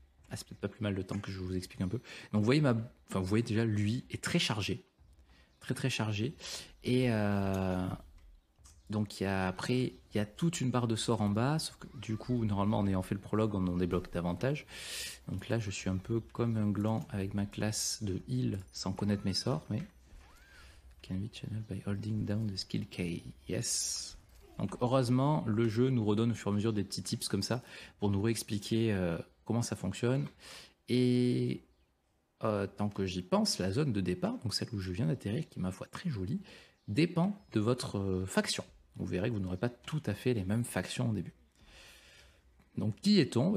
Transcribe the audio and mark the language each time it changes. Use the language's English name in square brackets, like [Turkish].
[French] Ah, c'est peut-être pas plus mal le temps que je vous explique un peu. Donc vous voyez, vous voyez déjà, lui est très chargé. Très très chargé. Et donc y a, après, il y a toute une barre de sorts en bas. Sauf que du coup, normalement, en ayant fait le prologue, on en débloque davantage. Donc là, je suis un peu comme un gland avec ma classe de heal sans connaître mes sorts. Mais... [English] Can we channel by holding down the skill key? Yes. [French] Donc heureusement, le jeu nous redonne au fur et à mesure des petits tips comme ça pour nous réexpliquer... comment ça fonctionne. Et tant que j'y pense, la zone de départ, donc celle où je viens d'atterrir, qui est ma foi très jolie, dépend de votre faction. Vous verrez que vous n'aurez pas tout à fait les mêmes factions au début. Donc qui est-on?